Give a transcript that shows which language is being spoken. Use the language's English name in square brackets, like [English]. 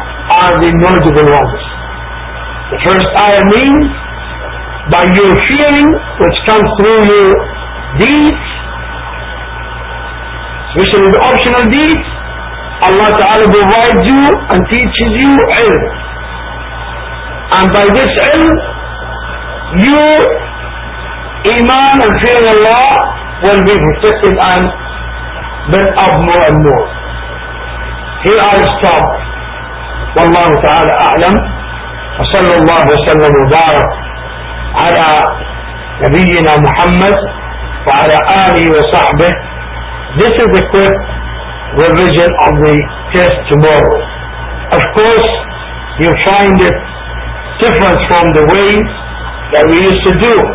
[English] are the knowledgeable ones. The first ayah means by your feeling, which comes through your deeds, especially the optional deeds, Allah Ta'ala provides you and teaches you ilm. And by this ilm, your iman and fear of Allah will be protected and built up more and more. Here I stop. [Arabic] Wallahu Ta'ala a'lam. وصلى الله وسلم وبارك على نبينا محمد وعلى آله وصحبه. [English] This is the quick revision of the test tomorrow. Of course, you find it different from the way that we used to do.